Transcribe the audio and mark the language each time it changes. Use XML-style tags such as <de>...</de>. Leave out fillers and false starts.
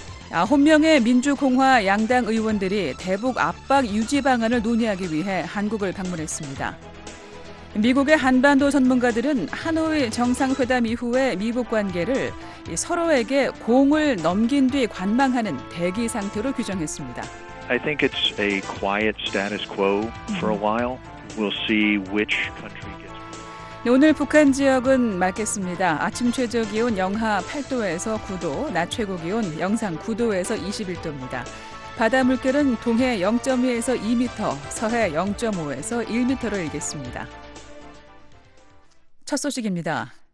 <ko>9명의 민주공화 양당 의원들이 대북 압박 유지 방안을 논의하기 위해 한국을 방문했습니다. 미국의 한반도 전문가들은 하노이 정상회담 이후의 미북 관계를 서로에게 공을 넘긴 뒤 관망하는 대기 상태로 규정했습니다.</ko> <en>I think it's a quiet status quo for a while. We'll see which country gets.</en> <ko>오늘 북한 지역은 맑겠습니다. 아침 최저 기온 영하 8도에서 9도, 낮 최고 기온 영상 9도에서 21도입니다. 바다 물결은 동해 0.2에서 2m, 서해 0.5에서 1m로 일겠습니다. 첫 소식입니다.</ko>